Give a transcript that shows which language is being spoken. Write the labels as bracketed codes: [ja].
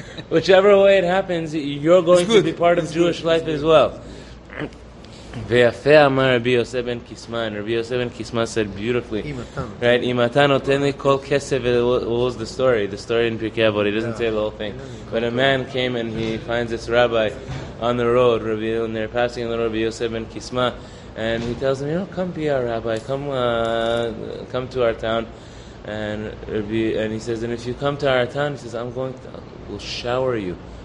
[en] Whichever way it happens, you're going to be part of Jewish life as well. [he] ויפה אמר רבי יוסף בן קיסמא, [en] and רבי יוסף בן קיסמא said beautifully, right? [he] אם אתה נותן לי כל כסף, [en] what was the story? The story in Pirkei Avot, he doesn't say the whole thing. But a man came and he finds this rabbi on the road, Rabbi, and they're passing the Rabbi Yosef ben Kisma, and he tells him, you know, come be our rabbi, come to our town. And he says, and if you come to our town, he says, we'll shower you.